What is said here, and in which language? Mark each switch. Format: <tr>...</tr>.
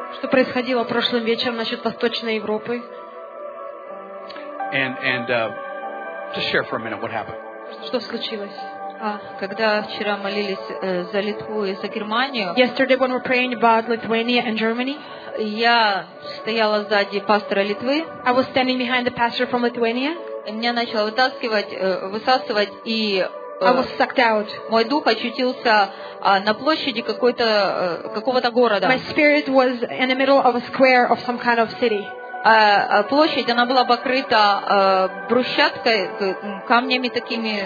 <ru>Что происходило прошлым вечером насчет Восточной Европы?</ru> <en>And just share for a minute what happened.</en> <ru>Что случилось? Когда вчера молились за Литву и за Германию.</ru> <en>Yesterday when we were praying about Lithuania and Germany.</en> <ru>Я стояла сзади пастора Литвы.</ru> <en>I was standing behind the pastor from Lithuania.</en> <ru>И меня начало высасывать и</ru> <en>I was sucked out.</en> <ru>Мой дух очутился на площади какого-то города.</ru> <en>My spirit was in the middle of a square of some kind of city.</en> <ru>Площадь, она была покрыта брусчаткой, камнями такими</ru>